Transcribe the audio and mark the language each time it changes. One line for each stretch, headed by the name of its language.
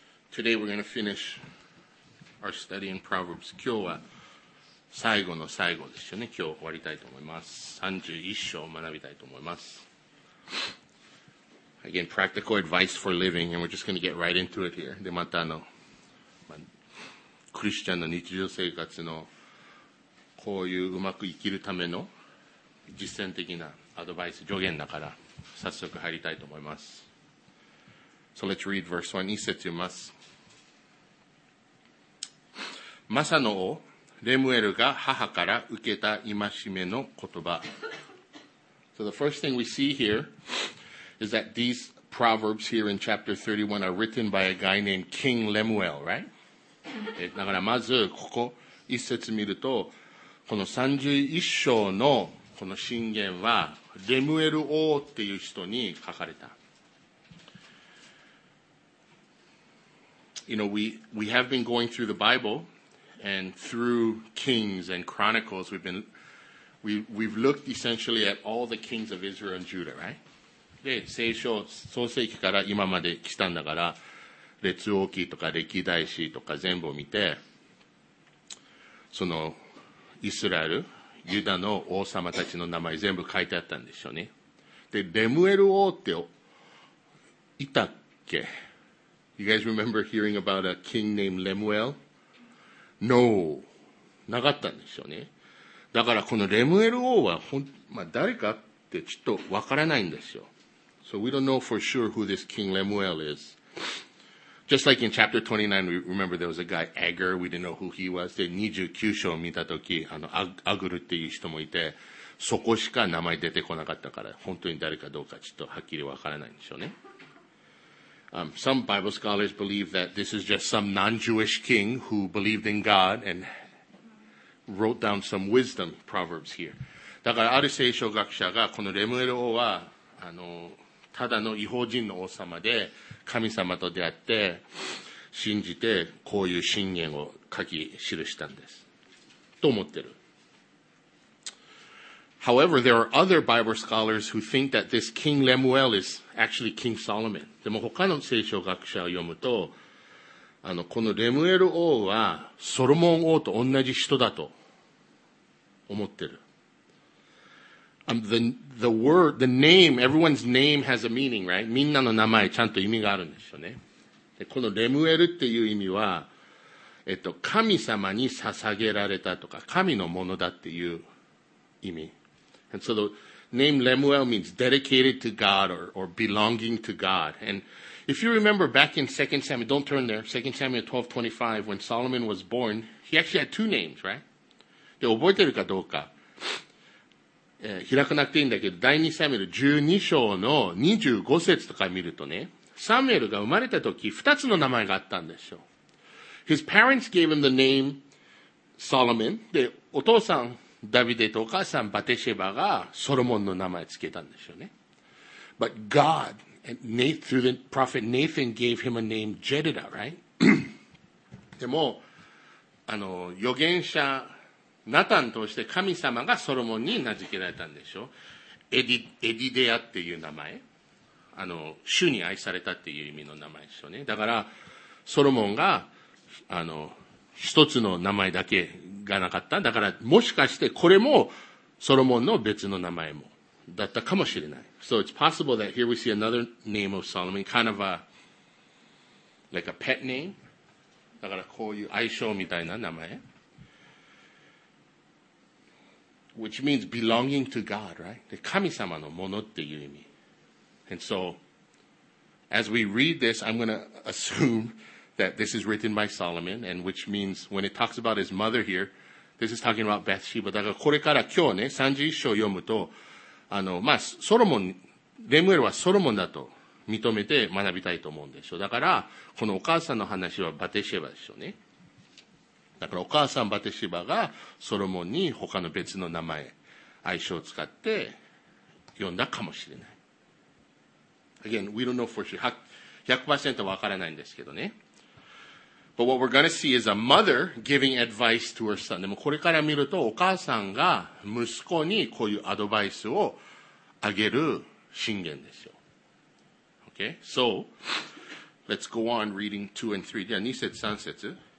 English: Today we're going to finish our study in Proverbs.
Japanese: 今日は最後の最後ですよね。今日終わりたいと思います。 31章を学びたいと思います。
English: Again, practical advice for living, and we're just going to get right into it here.
Japanese: で、またクリスチャンの日常生活のこういううまく生きるための実践的なアドバイス、助言だから早速入りたいと思います。
English: So let's read verse 1.
Japanese: 1節読みます。マサの王レムエルが母から受けた戒めの言葉。
English: So the first thing we see here is that these proverbs here in chapter 31 are written by a guy named King Lemuel, right?
Japanese: だからまずここ一節見るとこの31章のこの箴言はレムエル王っていう人に書かれた。
English: You know, we have been going through the Bible. And through Kings and Chronicles, we've looked essentially at all the kings of Israel and Judah, right?
Japanese: で、聖書、創世記から今まで来たんだから、列王記とか歴代史とか全部を見て、その、イスラエル、ユダの王様たちの名前全部書いてあったんでしょうね。で、レムエル王って、いたっけ?
English: You guys remember hearing about a king named Lemuel? No.
Japanese: なかったんですよね。だからこのレムエル王は誰かってちょっとわからないんですよ。
English: So we don't know for sure who this King Lemuel is. Just like in chapter 29, we remember there was a guy, Agur, we didn't know who he was.
Japanese: で、29章を見たとき、アグルっていう人もいて、そこしか名前出てこなかったから、本当に誰かどうかちょっとはっきりわからないんですよね。
English: Some Bible scholars believe that this is just some non-Jewish king who believed in God and wrote down some wisdom proverbs here.
Japanese: だからある聖書学者がこのレムエル王はただの異邦人の王様で神様と出会って信じてこういう箴言を書き記したんですと思ってる。
English: However, there are other Bible scholars who think that this King Lemuel is actually King Solomon.
Japanese: でも他の聖書学者を読むと、このレムエル王はソロモン王と同じ人だと思ってる。
English: The word, the name, everyone's name has a meaning, right?
Japanese: みんなの名前ちゃんと意味があるんですよね。で、このレムエルっていう意味は、神様に捧げられたとか、神のものだっていう意味。
English: And so the name Lemuel means dedicated to God or belonging to God. And if you remember back in 2 Samuel, don't turn there, 2 Samuel 12:25, when Solomon was born, he actually had two names, right?
Japanese: で、覚えてるかどうか、開かなくていいんだけど、第2サムエル12章の25節とか見るとね、サムエルが生まれた時、2つの名前があったんですよ。
English: His parents gave him the name Solomon.
Japanese: で、お父さん、ダビデとお母さんバテシェバがソロモンの名前つけたんですよね。
English: But God, through the prophet Nathan, gave him a name, Jedidah, right?
Japanese: でも、預言者、ナタンとして神様がソロモンに名付けられたんでしょ。エディデアっていう名前。主に愛されたっていう意味の名前ですよね。だから、ソロモンが、一つの名前だけがなかった。だからもしかしてこれもソロモンの別の名前もだったかもしれない。
English: So it's possible that here we see another name of Solomon, kind of a, like a pet name.
Japanese: だからこういう愛称みたいな名前。
English: Which means belonging to God, right?
Japanese: で、神様のものっていう意味。
English: And so, as we read this, I'm going to assume that this is written by Solomon, and which means when it talks about his mother here, this is talking about Bathsheba.
Japanese: だからこれから今日ね、31章を読むと、ソロモン、レムエルはソロモンだと認めて学びたいと思うんでしょ。だから、このお母さんの話はバテシェバでしょうね。だからお母さんバテシェバがソロモンに他の別の名前、愛称を使って読んだかもしれない。
English: Again, we don't know for sure.
Japanese: 100% わからないんですけどね。
English: But what we're going to see is a mother giving advice to her son.
Japanese: でもこれから見るとお母さんが息子にこういうアドバイスをあげる箴言ですよ。
English: Okay? So, Let's go on reading 2 and 3.
Japanese: では2節3節。